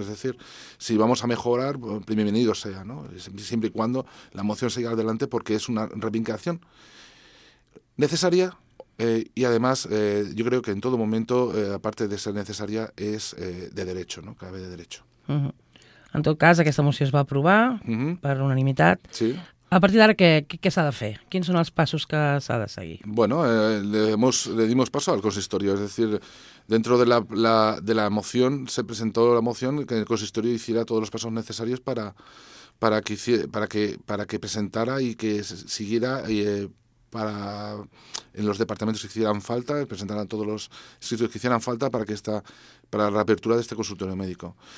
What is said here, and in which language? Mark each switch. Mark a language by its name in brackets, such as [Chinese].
[Spanish] Es decir, si vamos a mejorar, bienvenido sea, ¿no? Siempre y cuando la moción siga adelante, porque es una reivindicación necesaria. Y además, yo creo que en todo momento, aparte de ser necesaria, es de derecho, ¿no? Cabe de derecho. Uh-huh. [Catalan] En tot cas, aquesta moció es va aprovar per unanimitat. Sí. A partir d'ara, què s'ha de fer? Quins són els passos que s'ha de seguir? [Spanish] Bueno, le dimos paso al consistorio, es decir, dentro de la moción, se presentó la moción que el consistorio hiciera todos los pasos necesarios para que presentara y que siguiera... Para en los departamentos que hicieran falta, presentaran todos los sitios que hicieran falta para la reapertura de este consultorio médico.